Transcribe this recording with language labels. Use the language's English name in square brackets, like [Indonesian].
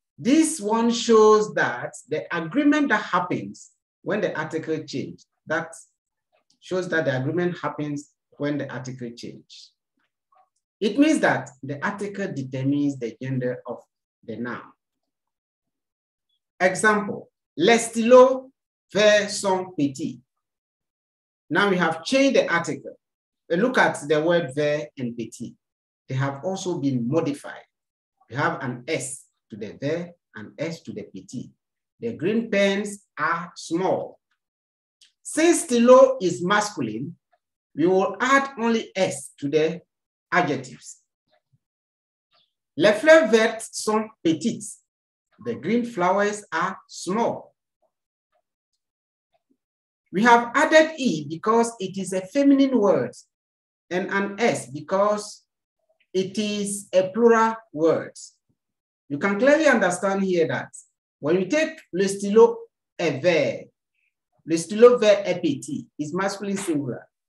[English] This one shows that the agreement that happens when the article changes. That shows that the agreement happens when the article changes. It means that the article determines the gender of the noun. Example, [French] Les stylos verts sont petits. [English] Now we have changed the article. We look at the word vert and petit. They have also been modified. We have an S to the vert and S to the petit. The green pens are small. Since stylo is masculine, we will add only S to the adjectives. [French] Les fleurs vertes sont petites. [English] The green flowers are small. We have added E because it is a feminine word, and an S because it is a plural word. You can clearly understand here that when you take [French] le stylo est vert, le stylo vert est petit, [English] is masculine singular.